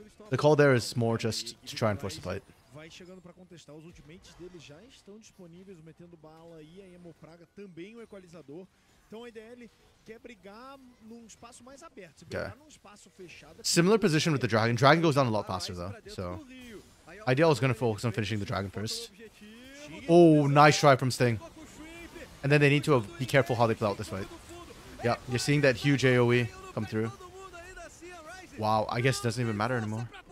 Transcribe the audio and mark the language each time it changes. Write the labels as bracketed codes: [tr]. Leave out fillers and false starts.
[en] The call there is more just to try and force the fight. [pt] Vai chegando para contestar, os ultimates dele já estão disponíveis, metendo bala e a hemopraga, também o equalizador. Então a IDL quer brigar num espaço mais aberto, se brigar num espaço fechado... [en] Similar position with the Dragon. Dragon goes down a lot faster though, so... IDL is going to focus on finishing the Dragon first. Oh, nice try from Sting. And then they need to be careful how they play out this fight. Yeah, you're seeing that huge AoE come through. Wow, I guess it doesn't even matter anymore.